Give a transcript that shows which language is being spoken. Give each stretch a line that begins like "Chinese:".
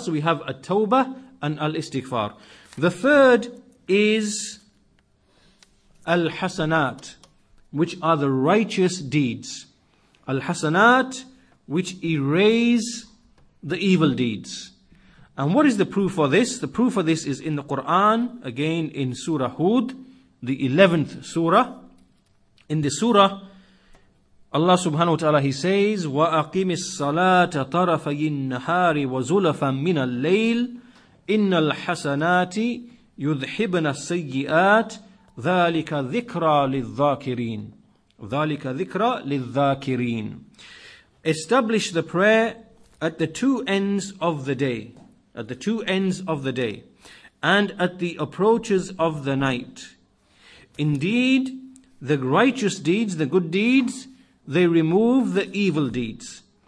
English: So we have at-tawbah and al-istighfar. The third is al-hasanat, which are the righteous deeds. Al-hasanat, which erase the evil deeds. And what is the proof for this? The proof for this is in the Quran, again in Surah Hud, the 11th surah. In the surah, Allah subhanahu wa ta'ala, he says,
Arabic: وَأَقِمِ الصَّلَاةَ طَرَفَيِ النَّهَارِ وَزُلَفًا مِنَ اللَّيْلِ إِنَّ الْحَسَنَاتِ يُذْحِبْنَ السَّيِّئَاتِ ذَلِكَ ذِكْرَى لِلذَّاكِرِينَ ذَلِكَ ذِكْرَى لِلذَّاكِرِينَ.
English: Establish the prayer at the two ends of the day, at the two ends of the day, and at the approaches of the night. Indeed, the righteous deeds, the good deeds, they remove the evil deeds.